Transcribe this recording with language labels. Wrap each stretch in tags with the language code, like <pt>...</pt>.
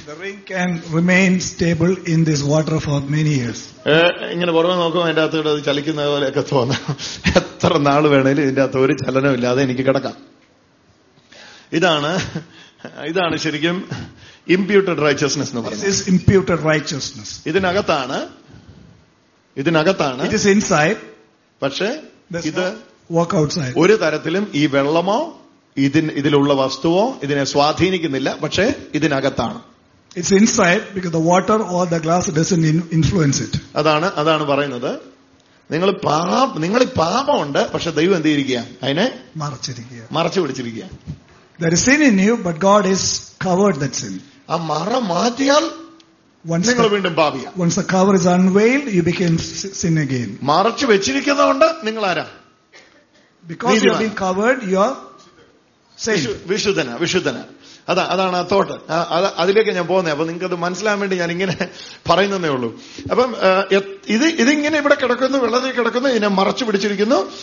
<en>The ring can remain stable in this water for many years.</en> <ml>ഇങ്ങനെ പുറമെ നോക്കുമ്പോൾ അതിന്റെ അകത്ത് അത് ചലിക്കുന്ന പോലെയൊക്കെ തോന്നാം. എത്ര നാള് വേണേലും ഇതിന്റെ അകത്ത് ഒരു ചലനവും ഇല്ലാതെ എനിക്ക് കിടക്കാം. ഇതാണ് ശരിക്കും ഇമ്പ്യൂട്ടഡ് റൈച്ചസ്നെസ് എന്ന് പറയുന്നത്.</ml> <en>This is imputed righteousness.</en> <ml>ഇതിനകത്താണ്.</ml> <en>It is inside.</en> <ml>പക്ഷേ ഇത്</ml> <en>Work outside.</en> <ml>ഒരു തരത്തിലും ഈ വെള്ളമോ ഇതിലുള്ള വസ്തുവോ ഇതിനെ സ്വാധീനിക്കുന്നില്ല, പക്ഷേ ഇതിനകത്താണ്.</ml> <en>It's inside because the water or the glass doesn't influence it.</en> <ml>അതാണ് പറയുന്നത്. നിങ്ങളിൽ പാപമുണ്ട്, പക്ഷെ ദൈവം എന്ത് ചെയ്തിരിക്കുക, അതിനെ മറച്ചു പിടിച്ചിരിക്കുക.</ml> <en>There is sin in you, but God has covered that sin.</en> <ml>ആ മറ മാറ്റിയാൽ നിങ്ങൾ വീണ്ടും പാപിയാ.</ml> <en>Once the cover is unveiled, you become sin again.</en> <ml>മറച്ചു വെച്ചിരിക്കുന്നതുകൊണ്ട് നിങ്ങൾ ആരാ?</ml> <en>Because you have been covered, you are</en> <ml>വിശുദ്ധന. അതാണ് ആ തോട്ട്. അതിലേക്ക് ഞാൻ പോകുന്നത്. അപ്പൊ നിങ്ങൾക്ക് അത് മനസ്സിലാൻ വേണ്ടി ഞാൻ ഇങ്ങനെ പറയുന്നേ ഉള്ളൂ. അപ്പം ഇതിങ്ങനെ ഇവിടെ കിടക്കുന്നു, വെള്ളത്തിൽ കിടക്കുന്നു, ഇതിനെ മറച്ചു പിടിച്ചിരിക്കുന്നു.</ml>